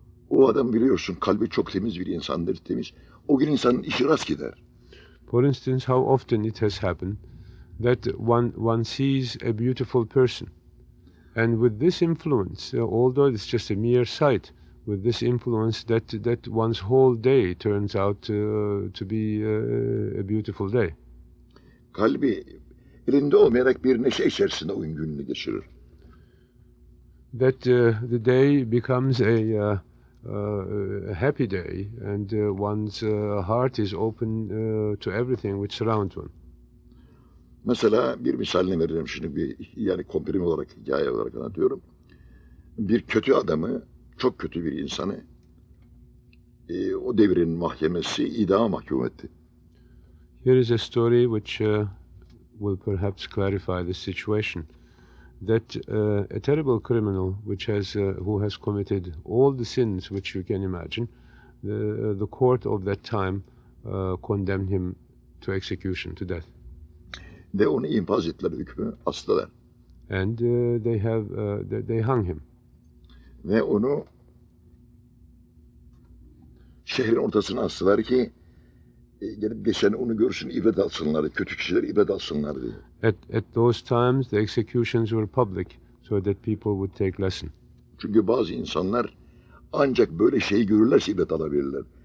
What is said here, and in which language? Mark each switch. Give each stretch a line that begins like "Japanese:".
Turkish: O adam biliyorsun kalbi çok temiz bir insandır, temiz. O gün insanın işi rast gider.
English: For instance, how often it has happened that one sees a beautiful person, and with this influence, although it's just a mere sight, with this influence that one's whole day turns out to be a beautiful day.
Turkish: Kalbi elinde olmayarak bir neşe içerisinde o gününü geçirir.
English: That the day becomes a happy day, and one's heart is open to everything which surrounds one.
Turkish: Mesela bir misalini veririm şimdi, bir yani komprim olarak, hikaye olarak anlatıyorum. Bir kötü adamı, çok kötü bir insanı o devrin mahkemesi idama mahkum etti.
English: Here is a story which will perhaps clarify the situation. That a terrible criminal who has committed all the sins which you can imagine, the court of that time condemned him to execution, to death.
Turkish: Ve onu infaz ettiler, hükmü astılar.
English: And they hung him.
Turkish: Ve onu şehrin ortasına astılar ki gelip geçen onu görsün, ibret alsınlar, kötü kişiler ibret alsınlar diye.
English: At those times the executions were public so that people would take lesson.
Turkish: Çünkü bazı insanlar ancak böyle şeyi görürlerse ibret alabilirler.